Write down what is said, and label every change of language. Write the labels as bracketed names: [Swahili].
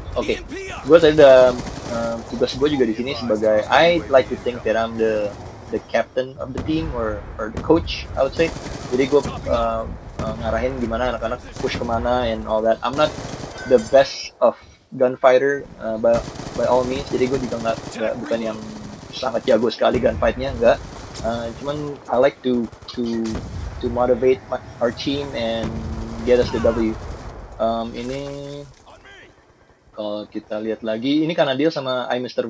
[Indonesian] Okay, gue tadi udah tugas gue juga di sini sebagai [English] I like to think that I'm the captain of the team or the coach, I would say. [Indonesian] Jadi gue ngarahin gimana anak-anak push kemana [English] and all that. I'm not the best of gunfighter by all means. [Indonesian] Jadi gue juga nggak bukan yang sangat jago sekali gunfightnya, enggak. Cuman [English] I like to motivate our team and get us the W. [Indonesian] Ini kalau kita lihat lagi, ini karena dia sama I Mr.